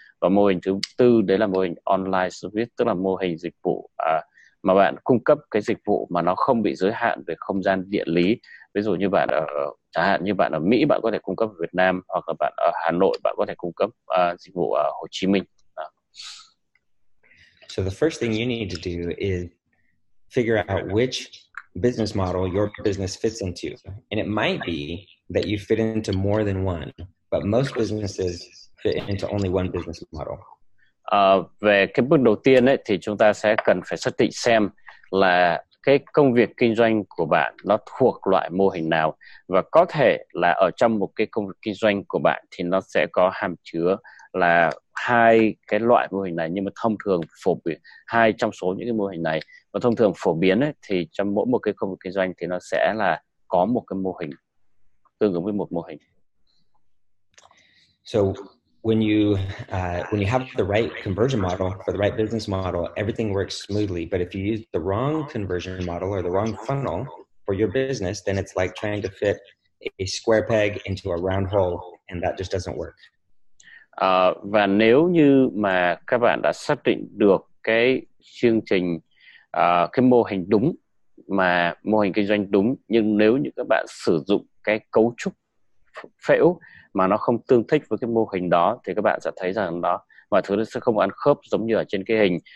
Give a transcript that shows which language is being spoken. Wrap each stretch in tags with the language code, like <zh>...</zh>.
<vi>Và mô hình thứ tư đấy là mô hình online service, tức là mô hình dịch vụ mà bạn cung cấp cái dịch vụ mà nó không bị giới hạn về không gian địa lý. Ví dụ như bạn ở, chẳng hạn như bạn ở Mỹ, bạn có thể cung cấp ở Việt Nam, hoặc là bạn ở Hà Nội, bạn có thể cung cấp dịch vụ ở Hồ Chí Minh.</vi> <en>So the first thing you need to do is figure out which business model your business fits into. And it might be that you fit into more than one, but most businesses fit into only one business model.</en> <vi>Về cái bước đầu tiên ấy, thì chúng ta sẽ cần phải xác định xem là cái công việc kinh doanh của bạn nó thuộc loại mô hình nào. Và có thể là ở trong một cái công việc kinh doanh của bạn thì nó sẽ có hàm chứa là hai cái loại mô hình này, nhưng mà thông thường phổ biến hai trong số những cái mô hình này, và thông thường phổ biến ấy, thì trong mỗi một cái công việc kinh doanh thì nó sẽ là có một cái mô hình tương ứng với một mô hình.</vi> <en>So when you have the right conversion model for the right business model, everything works smoothly. But if you use the wrong conversion model or the wrong funnel for your business, then it's like trying to fit a square peg into a round hole, and that just doesn't work.</en> <vi>Và nếu như mà các bạn đã xác định được cái chương trình, cái mô hình đúng, mà mô hình kinh doanh đúng, nhưng nếu như các bạn sử dụng cái cấu trúc phễu mà nó không tương thích với cái mô hình đó, thì các bạn sẽ thấy rằng đó, mọi thứ nó sẽ không ăn khớp giống như ở trên cái hình.</vi>